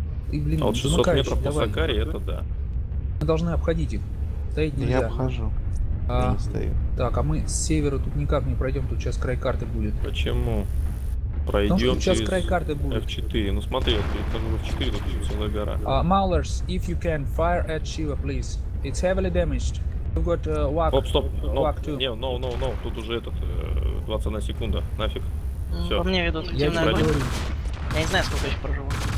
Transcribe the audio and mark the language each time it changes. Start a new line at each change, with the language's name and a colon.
Russian: И, блин, а вот 600 метров по Сакаре, это да. Мы должны обходить их. Стоять нельзя. Я обхожу. Я не стою. Так, а мы с севера тут никак не пройдем, тут сейчас край карты будет. Почему? Пройдем сейчас край карты будет. F4, ну смотри, это ну, F4, тут целая гора.
English: Maulers, if you can, fire at Shiva, please. It's heavily damaged. You've got WAC.
Russian: Оп, стоп, no, тут уже этот, 21 секунда, нафиг. Все. По мне ведут, где на я не знаю, сколько еще проживу.